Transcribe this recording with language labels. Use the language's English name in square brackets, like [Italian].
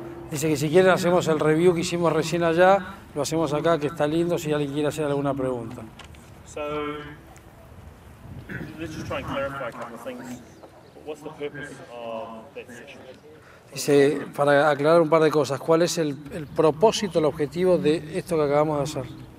[Spanish] Dice que si quieren hacemos el review que hicimos recién allá, lo hacemos acá, que está lindo, si alguien quiere hacer alguna pregunta. [English] So, let's just try and clarify a couple of things. What's the purpose of that session? [Spanish] Dice, para aclarar un par de cosas, ¿cuál es el propósito, el objetivo de esto que acabamos de hacer?